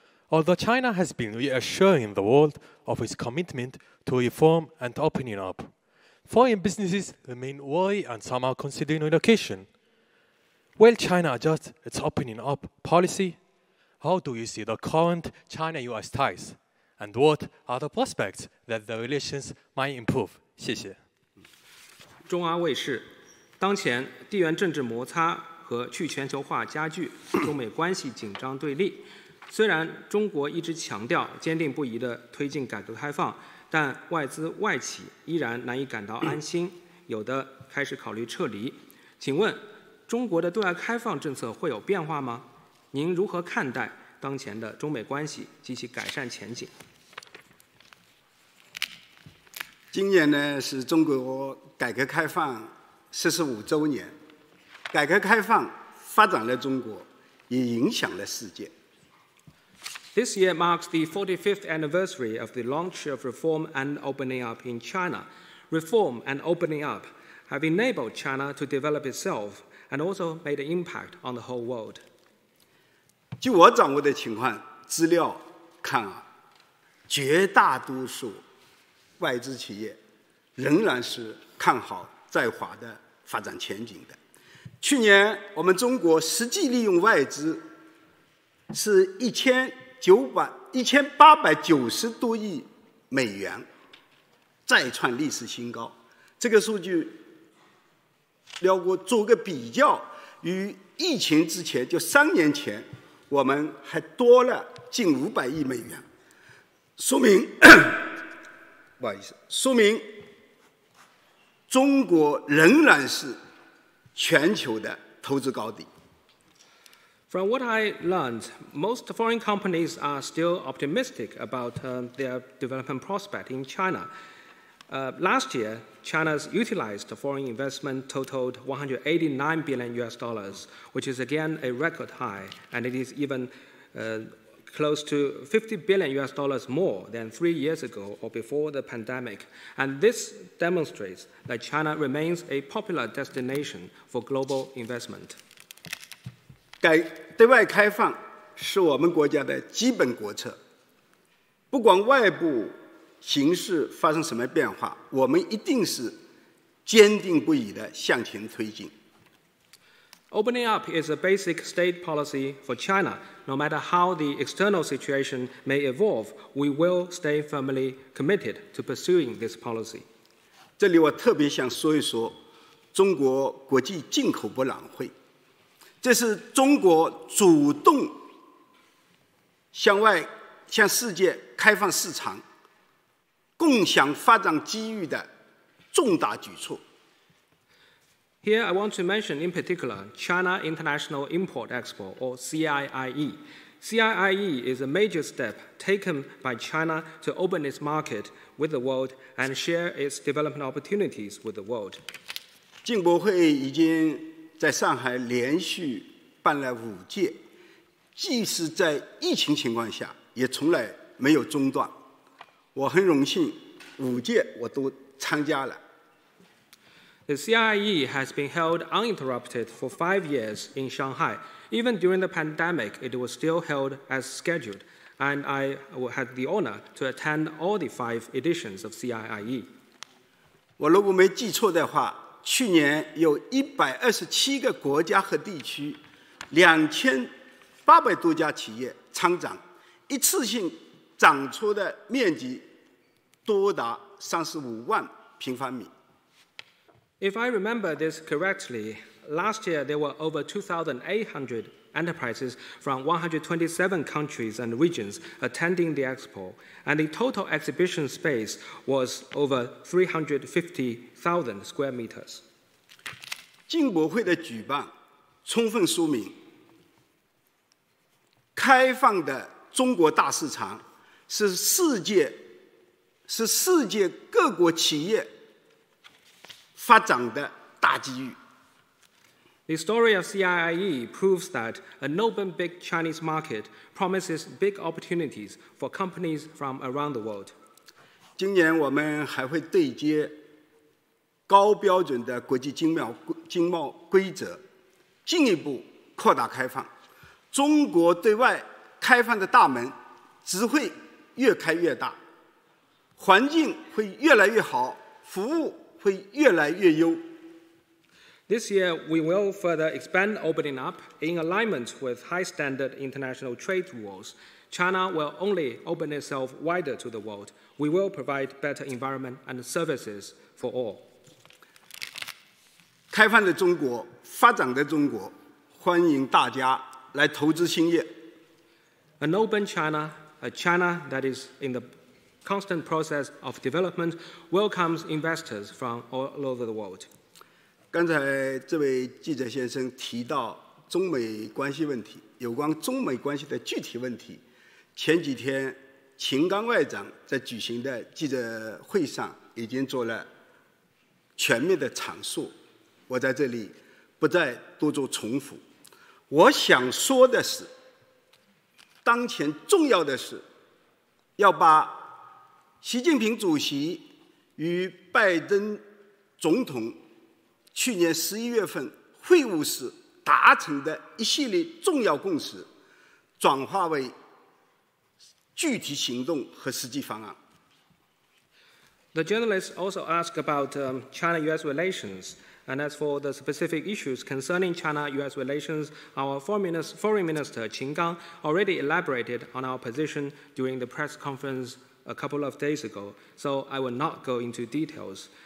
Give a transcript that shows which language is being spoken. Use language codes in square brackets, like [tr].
[en] Although China has been reassuring the world of its commitment to reform and opening up, foreign businesses remain wary and some are considering relocation. Will China adjust its opening up policy? How do you see the current China-U.S. ties? And what are the prospects that the relations might improve? [zh] 谢谢。中阿卫视，当前地缘政治摩擦和去全球化加剧，中美关系紧张对立。虽然中国一直强调坚定不移地推进改革开放，但外资外企依然难以感到安心，有的开始考虑撤离。请问，中国的对外开放政策会有变化吗？您如何看待当前的中美关系及其改善前景？今年呢是中国改革开放45周年，改革开放发展了中国，也影响了世界。 [en] This year marks the 45th anniversary of the launch of reform and opening up in China. Reform and opening up have enabled China to develop itself and also made an impact on the whole world. [zh] 据我掌握的情况资料看啊，绝大多数外资企业仍然是看好在华的发展前景的。去年我们中国实际利用外资是1890多亿美元，再创历史新高。这个数据，辽国做个比较，与疫情之前，就3年前，我们还多了近500亿美元，说明，不好意思，说明中国仍然是全球的投资高地。 [en] From what I learned, most foreign companies are still optimistic about their development prospect in China. Last year, China's utilized foreign investment totaled $189 billion, which is again a record high, and it is even close to $50 billion more than 3 years ago or before the pandemic. And this demonstrates that China remains a popular destination for global investment. [zh] 对外开放是我们国家的基本国策，不管外部形势发生什么变化，我们一定是坚定不移地向前推进。 [en] Opening up is a basic state policy for China. No matter how the external situation may evolve, we will stay firmly committed to pursuing this policy. [zh] 这里我特别想说一说中国国际进口博览会，这是中国主动向外、向世界开放市场、共享发展机遇的重大举措。 [en] Here I want to mention in particular China International Import Expo, or CIIE. CIIE is a major step taken by China to open its market with the world and share its development opportunities with the world. [zh] 进博会已经在上海连续办了5届，即使在疫情情况下也从来没有中断，我很荣幸5届我都参加了。 [en] The CIIE has been held uninterrupted for 5 years in Shanghai. Even during the pandemic, it was still held as scheduled, and I had the honor to attend all the 5 editions of CIIE. [zh] 我如果没记错的话，去年有127个国家和地区，2800多家企业参展，一次性展出的面积多达35万平方米。 [en] If I remember this correctly, last year there were over 2,800 enterprises from 127 countries and regions attending the expo, and the total exhibition space was over 350,000 square meters. [zh] 进博会的举办充分说明，开放的中国大市场是世界各国企业发展的大机遇。 [en] The story of CIIE proves that an open big Chinese market promises big opportunities for companies from around the world. [zh] 今年我们还会对接高标准的国际经贸规则，进一步扩大开放。中国对外开放的大门只会越开越大，环境会越来越好，服务会越来越优。 [en] This year, we will further expand opening up in alignment with high-standard international trade rules. China will only open itself wider to the world. We will provide better environment and services for all. [zh] 开放的中国，发展的中国，欢迎大家来投资兴业。 [en] An open China, a China that is in the constant process of development, welcomes investors from all over the world. [zh] 刚才这位记者先生提到中美关系问题，有关中美关系的具体问题，前几天秦刚外长在举行的记者会上已经做了全面的阐述，我在这里不再多做重复。我想说的是，当前重要的是要把习近平主席与拜登总统去年十一月份会晤时达成的一系列重要共识转化为具体行动和实际方案。 [en] The journalists also ask about China-US relations, and as for the specific issues concerning China-US relations, our Foreign Minister Qin Gang already elaborated on our position during the press conference a couple of days ago, so I will not go into details.